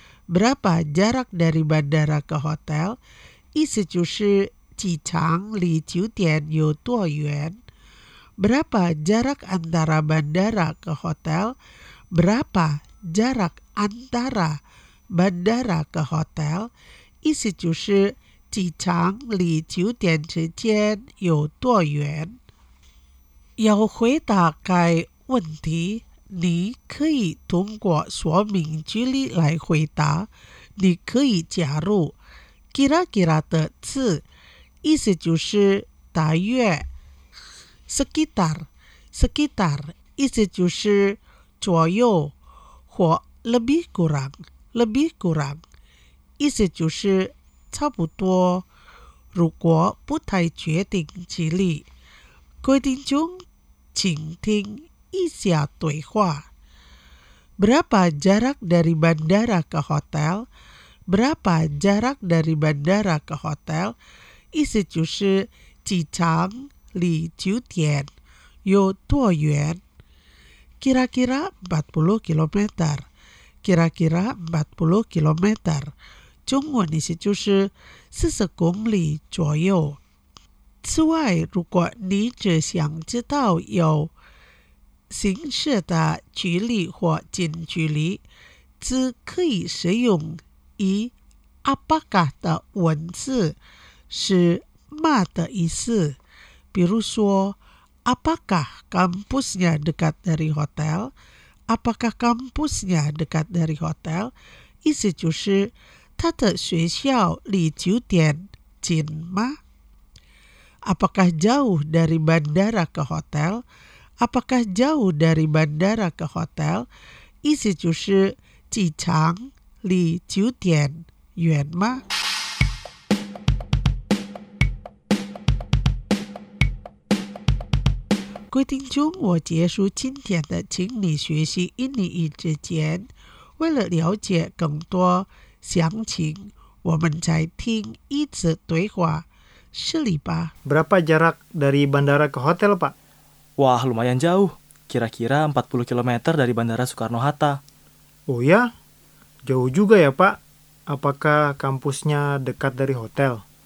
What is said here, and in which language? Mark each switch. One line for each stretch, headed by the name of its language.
Indonesian: berapa jarak dari bandara ke hotel？
Chinese: 意思就是机场离酒店有多远？
Indonesian: Berapa jarak antara bandara ke hotel? Berapa jarak antara bandara ke hotel?
Chinese: 意思就是机场离酒店之间有多远？要回答该问题，你可以通过说明距离来回答。你可以加入 kira-kira 的词，意思就是大约。
Indonesian: Sekitar, sekitar,
Chinese: 意思就是左右或
Indonesian: lebih kurang, lebih kurang,
Chinese: 意思就是差不多，如果不太决定距离。各位听众，请听一下对话。
Indonesian: Berapa jarak dari bandara ke hotel? Berapa jarak dari bandara ke hotel?
Chinese: 意思就是机场离酒店有多远？
Indonesian: kira-kira 40 km， kira-kira 40 km，
Chinese: 中文意思就是40公里左右。此外，如果你只想知道有行驶的距离或近距离，只可以使用以 apakah 的文字，是 ma 的意思。比如说
Indonesian: apakah kampusnya dekat dari hotel? apakah kampusnya dekat dari hotel?
Chinese: 意思就是他的学校离酒店近吗？
Indonesian: apakah jauh dari bandara ke hotel? apakah jauh dari bandara ke hotel?
Chinese: 意思就是机场离酒店远吗？规定中，我结束今天的请你学习印尼语之前，为了了解更多详情，我们再听一次对话。是里吧
Indonesian: berapa jarak dari bandara ke hotel, Pak? Wah, lumayan jauh. Kira-kira 40 km dari bandara Soekarno-Hatta. Oh ya? Jauh juga ya, Pak? Apakah kampusnya dekat dari hotel?